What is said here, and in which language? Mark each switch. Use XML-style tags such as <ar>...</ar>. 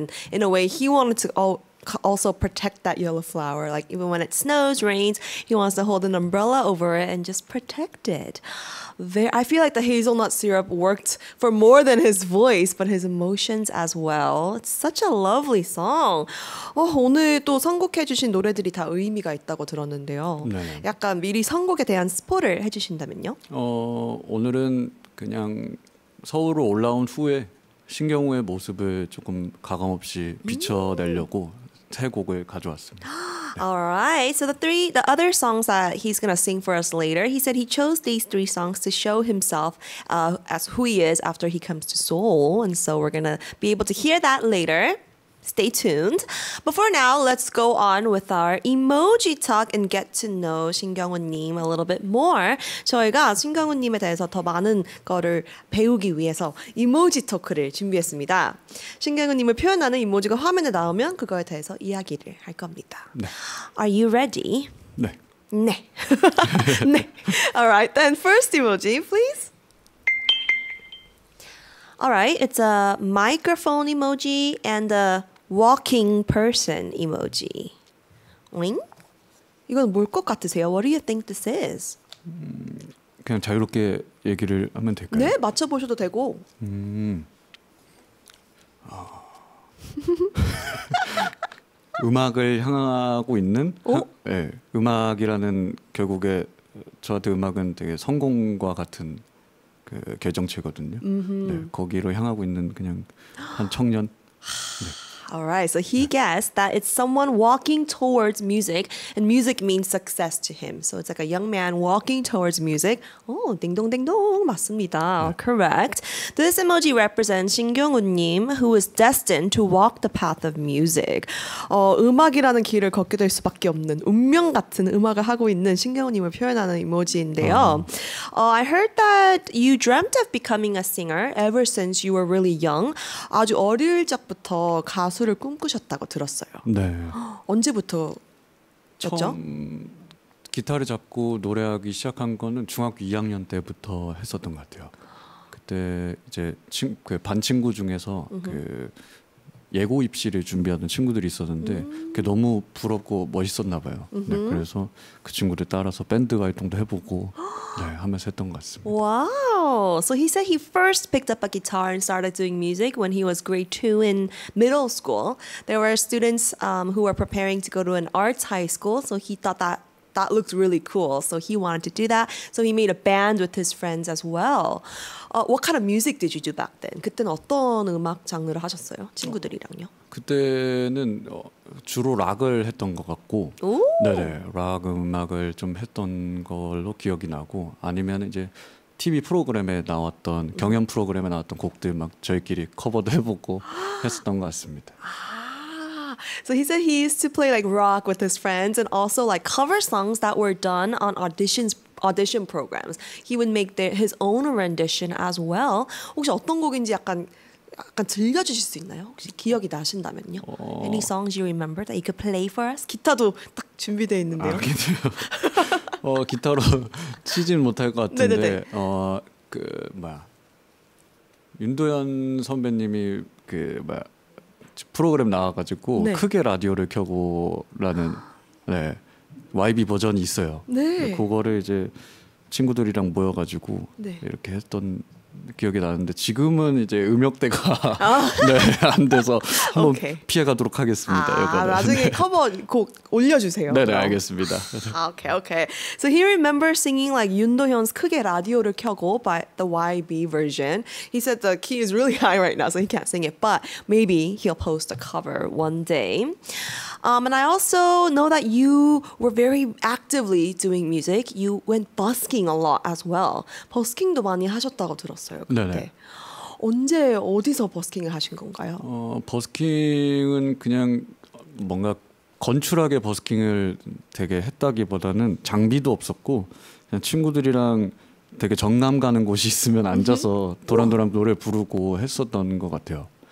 <en>And in a way, he wanted to also protect that yellow flower. Like even when it snows, rains, he wants to hold an umbrella over it and just protect it. I feel like the hazelnut syrup worked for more than his voice, but his emotions as well. It's such a lovely song.</en> <ko>오늘 또 선곡해 주신 노래들이 다 의미가 있다고 들었는데요. 네네. 약간 미리 선곡에 대한 스포를 해주신다면요? 오늘은 그냥 서울을 올라온 후에 신경우의 모습을 조금 가감 없이 비춰내려고 세 곡을 가져왔습니다.</ko> <en>All right. So the other songs that he's going to sing for us later, he said he chose these three songs to show himself as who he is after he comes to Seoul. And so we're going to be able to hear that later. Stay tuned. But for now, let's go on with our emoji talk and get to know 신경훈님 a little bit more.</en> <ko>저희가 신경훈님에 대해서 더 많은 거를 배우기 위해서 이모지 토크를 준비했습니다. 신경훈님을 표현하는 이모지가 화면에 나오면 그거에 대해서 이야기를 할 겁니다. 네.</ko> <en>Are you ready?</en> <ko>네.</ko> <en>네. 네. All right, then first emoji, please. All right, it's a microphone emoji and a walking person emoji. Wing?</en> <ko>이건 뭘 것 같으세요?</ko> <en>What do you think this is?</en> <ko>그냥 자유롭게 얘기를 하면 될까요? 네, 맞춰보셔도 되고. 음악을 향하고 있는? 네, 음악이라는 결국에 저한테 음악은 되게 성공과 같은 그 계정체거든요. 네, 거기로 향하고 있는 그냥 한 청년.</ko> <en>네. All right. So he guessed that it's someone walking towards music, and music means success to him. So it's like a young man walking towards music.</en> <ko>Oh, 딩동댕동 맞습니다.</ko> <en>네. Correct. This emoji represents 신경훈님 who is destined to walk the path of music.</en> <ko>음악이라는 길을 걷게 될 수밖에 없는 운명 같은 음악을 하고 있는 신경훈님을 표현하는 이모지인데요.</ko> <en>I heard that you dreamt of becoming a singer ever since you were really young.</en> <ko>아주 어릴 적부터 가수를 꿈꾸셨다고 들었어요. 네. 언제부터 처음 기타를 잡고 노래하기 시작한 거는 중학교 2학년 때부터 했었던 것 같아요. 그때 이제 반 친구 중에서 그 예고 입시를 준비하던 친구들이 있었는데 그게 너무 부럽고 멋있었나 봐요. 네, 그래서 그 친구들 따라서 밴드 활동도 해보고 네, 하면서 했던 것 같습니다. 와우.</ko> <en>So he said he first picked up a guitar and started doing music when he was grade 2 in middle school. There were students who were preparing to go to an arts high school, so he thought that that looked really cool. So he wanted to do that. So he made a band with his friends as well. What kind of music did you do back then?</en> <ko>그때는 어떤 음악 장르를 하셨어요? 친구들이랑요? 그때는 주로 락을 했던 것 같고, 네네, 락 음악을 좀 했던 걸로 기억이 나고, 아니면 이제 TV 프로그램에 나왔던 경연 프로그램에 나왔던 곡들 막 저희끼리 커버도 해보고 했었던 것 같습니다.</ko> <en>So he said he used to play like rock with his friends and also like cover songs that were done on audition programs. He would make his own rendition as well.</en> <ko>혹시 어떤 곡인지 약간 들려주실 수 있나요? 혹시 기억이 나신다면요?</ko> <en>Any songs you remember that you could play for us?</en> <ko>기타도 딱 준비되어 있는데요. 아, 기타요? 기타로 치진 못할 것 같은데. 네네네. 그 뭐야. 윤도현 선배님이 그 뭐야. 프로그램 나와가지고 네. 크게 라디오를 켜고라는 네, YB 버전이 있어요. 네. 그거를 이제 친구들이랑 모여가지고 네. 이렇게 했던 기억이 나는데 지금은 이제 음역대가 네, 안 돼서 한번 오케이. 피해가도록 하겠습니다. 아, 나중에 네. 커버 곡 올려주세요. 네네 그럼. 알겠습니다.</ko> <en>아, 오케이 오케이. So he remembers singing like 윤도현's 크게 라디오를 켜고 by the YB version. He said the key is really high right now, so he can't sing it. But maybe he'll post a cover one day. And I also know that you were very actively doing music. You went busking a lot as well.</en> <ko>Busking도 많이 하셨다고 들었어요. 네네. 네. 언제 어디서 버스킹을 하신 건가요? 버스킹은 그냥 뭔가 건출하게 버스킹을 되게 했다기보다는 장비도 없었고 그냥 친구들이랑 되게 정남 가는 곳이 있으면 앉아서 도란도란 노래 부르고 했었던 것 같아요.</ko>